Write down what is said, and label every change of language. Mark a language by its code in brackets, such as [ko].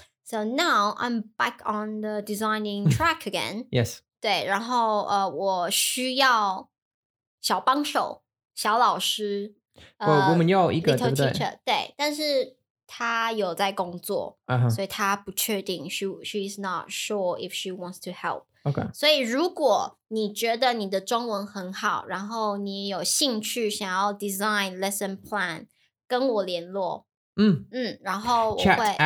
[en] So now I'm back on the designing track again. Yes. [zh] 对,然后, 我需要 小帮手,小老师, well, 我们要一个, [en] little [zh] 对不对? Teacher, 对,但是他有在工作, uh-huh. 所以他不确定, [en] she's not sure if she wants to help. Okay. [zh] 所以如果你觉得你的中文很好, 然后你有兴趣想要 [en] design lesson plan, [zh] 跟我联络, 然后我会,